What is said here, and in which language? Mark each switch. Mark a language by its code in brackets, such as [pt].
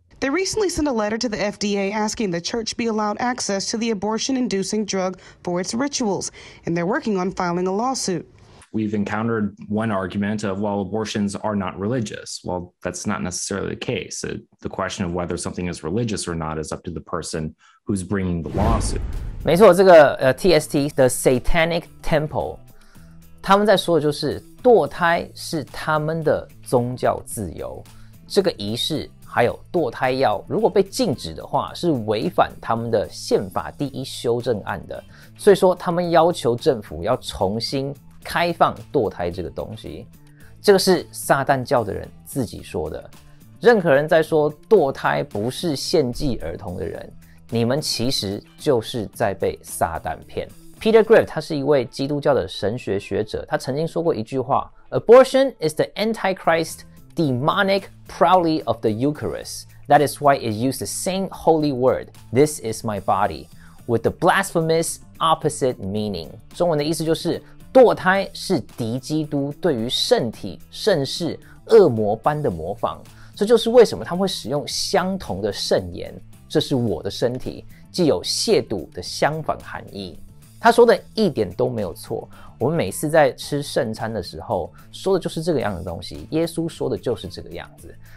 [en] They recently sent a letter to the FDA asking the church be allowed access to the abortion-inducing drug for its rituals, and they're working on filing a lawsuit. We've encountered one argument of, well, abortions are not religious. Well, that's not necessarily the case. The question of whether something is religious or not is up to the person who's bringing the lawsuit. [zh] 没错，这个TST, the Satanic Temple,他们在说的就是堕胎是他们的宗教自由，这个仪式还有堕胎药如果被禁止的话是违反他们的宪法第一修正案的，所以说他们要求政府要重新开放堕胎这个东西。这个是撒旦教的人自己说的。任何人在说堕胎不是献祭儿童的人，你们其实就是在被撒旦骗。 Peter Greve 他是一位基督教的神学学者，他曾经说过一句话： [en] Abortion is the antichrist demonic proudly of the Eucharist. That is why it used the same holy word, this is my body, with the blasphemous opposite meaning. [zh] 中文的意思就是堕胎是敌基督对于圣体圣事恶魔般的模仿。这就是为什么他们会使用相同的圣言，这是我的身体，既有亵渎的相反含义。他说的一点都没有错。我们每次在吃圣餐的时候说的就是这个样的东西，耶稣说的就是这个样子。